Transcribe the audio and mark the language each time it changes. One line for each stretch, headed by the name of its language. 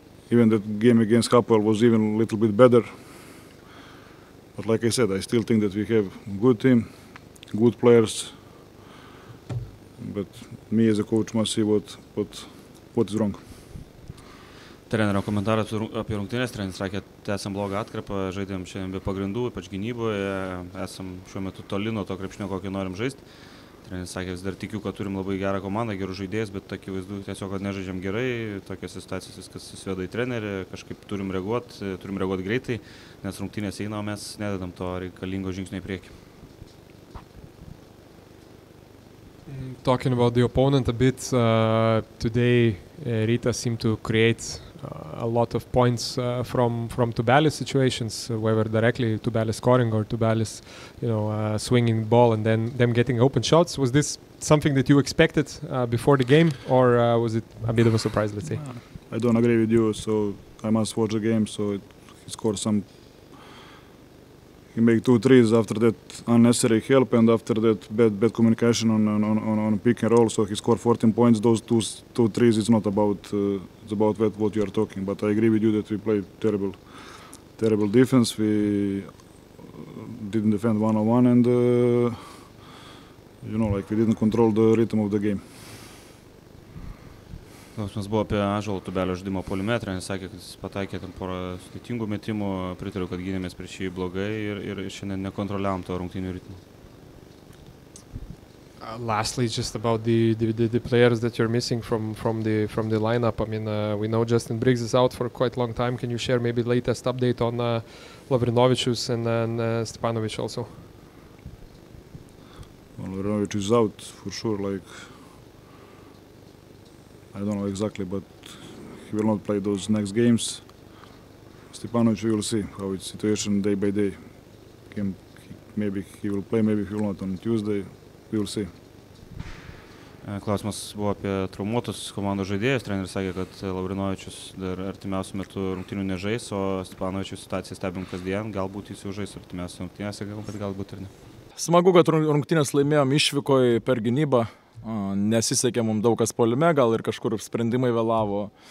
English: Even that game against Hapoel was even a little bit better. But like I said, I still think that we have good team, good players. But me as a coach must see what is wrong.
Lithuanian: Trenerio komentaras apie rungtynes. Treneris sakė, esam blogą atkarpą, žaidėm šiandien be pagrindų, ypač gynyboje, esam šiuo metu toli nuo to krepšinio, kokį norim žaisti. Treneris sakė, vis dar tikiu, kad turim labai gerą komandą, gerus žaidėjus, bet akivaizdu, tiesiog, kad nežaidžiam gerai, tokias situacijas viskas susiveda į trenerį, kažkaip turim reaguoti greitai, nes rungtynės eina, o mes nededam to reikalingo žingsnio į priekį.
English: Talking about the opponent a bit, today Rita seemed to create a lot of points from Tubelis situations, whether directly Tubelis scoring or Tubelis, you know, swinging ball and then them getting open shots. Was this something that you expected before the game, or was it a bit of a surprise, let's say? I don't agree with you, so I must watch the game. So he scored some. He made two threes after that unnecessary help, and after that bad communication on pick and roll. So he scored 14 points. Those two threes is not about it's about what you are talking. But I agree with you that we played terrible defense. We didn't defend one on one, and you know, like we didn't control the rhythm of the game.
Lithuanian: Klausimas buvo apie Ąžuolo Tubelio žaidimo polimetrą, jis sakė, kad jis pataikė ten porą sudėtingų metimų, pritariu, kad gynėmės prieš jį blogai ir šiandien nekontroliavom to rungtynių ritmo.
English: Lastly, just about the players that you're missing from the lineup. I mean, we know Justin Briggs is out for quite long time. Can you share maybe latest update on Lavrinovičius and Stepanovic also? Well, Lavrinovic is out for sure, like I don't know exactly, but he will not play those next games. Stepanović, we will see how it's situation day by day. Maybe he will play, maybe he will not on Tuesday. We will see.
Lithuanian: Klausimas buvo apie traumuotus komandos žaidėjus. Treneris sakė, kad Lavrinovičius dar artimiausių metų rungtynių nežais, o Stepanovičius situaciją stebim kasdien. Galbūt jis jau žais artimiausių rungtynėse, bet galbūt ir ne. Smagu, kad rungtynės laimėjom išvykoj per gynybą. Nesisekė mums daug kas polime, gal ir kažkur sprendimai vėlavo.